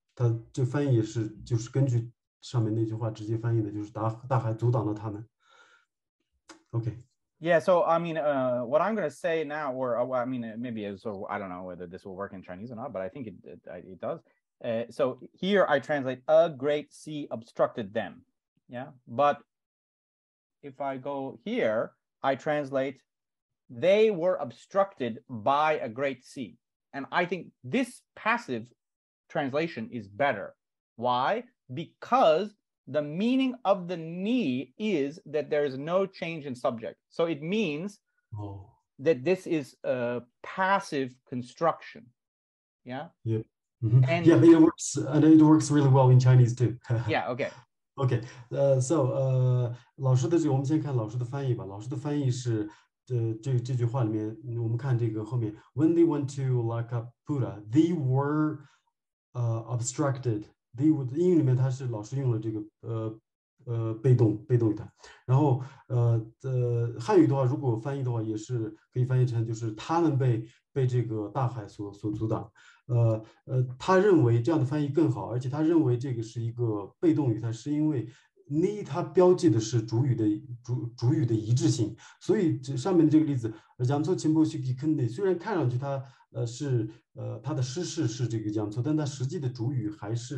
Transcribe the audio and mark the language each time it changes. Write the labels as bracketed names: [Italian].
[Chinese] 他就翻译是就是根据上面那句话直接翻译的，就是大海阻挡了他们。 [English] Okay. Yeah. So I mean, what I'm going to say now, or I mean, maybe it's sort of, I don't know whether this will work in Chinese or not, but I think it does. So here I translate a great sea obstructed them. Yeah. But if I go here, I translate they were obstructed by a great sea. And I think this passive translation is better. Why? Because the meaning of the ni is that there is no change in subject. So it means that this is a passive construction. Yeah? Yeah. Mm-hmm. And yeah, it works. And it works really well in Chinese too. Yeah, okay. Okay. [Chinese] So, 老师的这个，我们先看老师的翻译吧。老师的翻译是，这句话里面，我们看这个后面。 [English] When they went to Laka Pura, they were obstructed. [Chinese] The, 英语里面它是老师用了这个被动语态，然后汉语的话，如果翻译的话，也是可以翻译成就是他们被这个大海所阻挡，他认为这样的翻译更好，而且他认为这个是一个被动语态，是因为你它标记的是主语的一致性，所以上面这个例子，讲错情报是给坑的，虽然看上去它是它的失事是这个讲错，但它实际的主语还